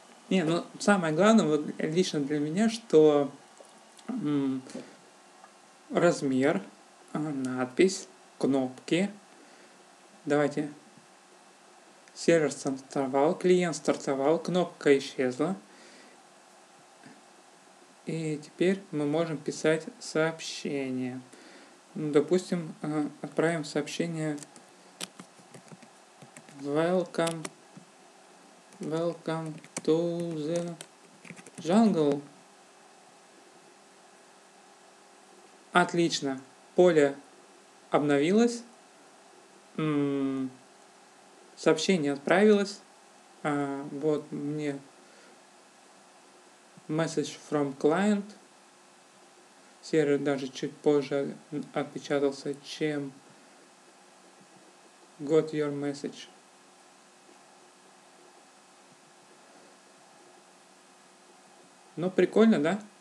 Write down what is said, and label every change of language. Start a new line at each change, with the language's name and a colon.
Russian: Не, ну самое главное, вот лично для меня, что размер, надпись, кнопки. Давайте. Сервер стартовал, клиент стартовал, кнопка исчезла. И теперь мы можем писать сообщение. Допустим, отправим сообщение
English: Welcome to the jungle.
Russian: Отлично. Поле обновилось. Сообщение отправилось. Вот мне
English: Message from client.
Russian: Сервер даже чуть позже отпечатался, чем
English: got your message.
Russian: Ну, прикольно, да?